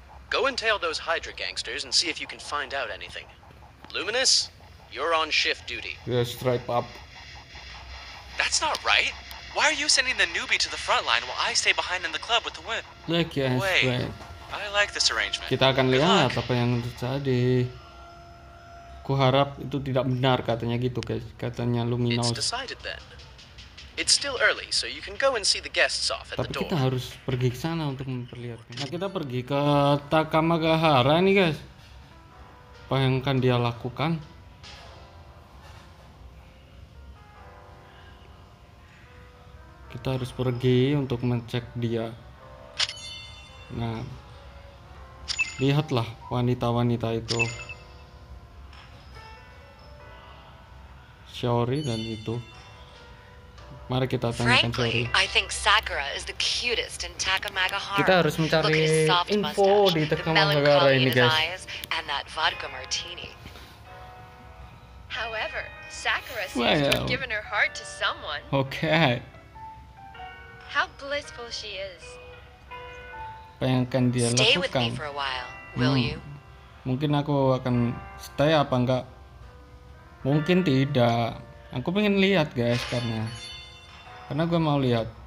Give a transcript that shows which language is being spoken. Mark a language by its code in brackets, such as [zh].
[en] Go and tail those Hydra gangsters and see if you can find out anything. Luminous, you're on shift duty. Yeah, stripe up. That's not right. Why are you sending the newbie to the front line while I stay behind in the club with the whip? Look, yes, wait. Right. I like this arrangement. [id] Kita akan lihat apa yang terjadi. Kuharap itu tidak benar, katanya gitu, guys. Katanya Luminous. [en] It's decided then. It's still early, so you can go and see the guests off at the door. [id] Tapi kita harus pergi ke sana untuk memperlihatkan. Nah, kita pergi ke Takamagahara nih, guys. Apa yang akan dia lakukan? Kita harus pergi untuk mengecek dia. Nah, lihatlah wanita-wanita itu. Shiori dan itu. Mari kita tanyakan Shiori. [en] I think Sakura is the cutest in Takamagahara. [id] Kita harus mencari info di Takamagahara ini, guys. [en] And that vodka martini. However, Sakura seems to have given her heart to someone. Okay. How blissful she is. [id] Bayangkan dia lakukan. [en] Stay with me for a while, will you? [id] Mungkin aku akan stay apa enggak? Mungkin tidak. Aku pengen lihat guys, karena gue mau lihat.